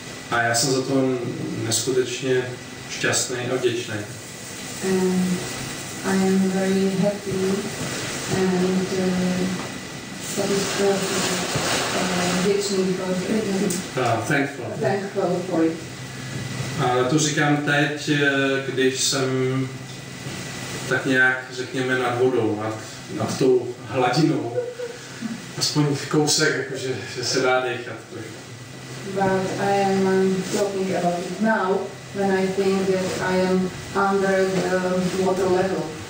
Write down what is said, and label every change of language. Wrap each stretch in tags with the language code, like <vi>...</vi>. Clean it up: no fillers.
<cs>A já jsem za to neskutečně šťastný a vděčný.</cs> <en>I am very happy and satisfied and</en> <cs>vděčný</cs> <en>for it. Thankful for it.</en> <cs>A to říkám teď, když jsem tak nějak, řekněme, nad vodou, nad tou hladinou. Aspoň kousek, jakože, že se dá dýchat.</cs> <en>But I am talking about it now, when I think that I am under the water level.</en>